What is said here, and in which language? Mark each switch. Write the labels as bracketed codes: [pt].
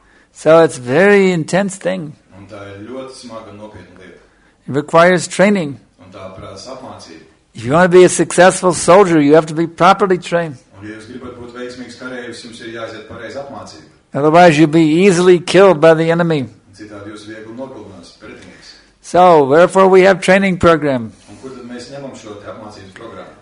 [en] So it's a very intense thing. [lv] Un tā ir ļoti smaga, nopietna lieta. [en] It requires training. [lv] Un tā prasa apmācību. [en] If you want to be a successful soldier, you have to be properly trained. [lv] Un, ja jūs gribat būt veiksmīgs karējus, jums ir jāiziet pareizi apmācību. [en] Otherwise, you'll be easily killed by the enemy. [lv] Citādi jūs viegli nokulinās pretinieks. [en] So, wherefore we have training program? [lv] Un kur tad mēs ņemam šo apmācības programmu?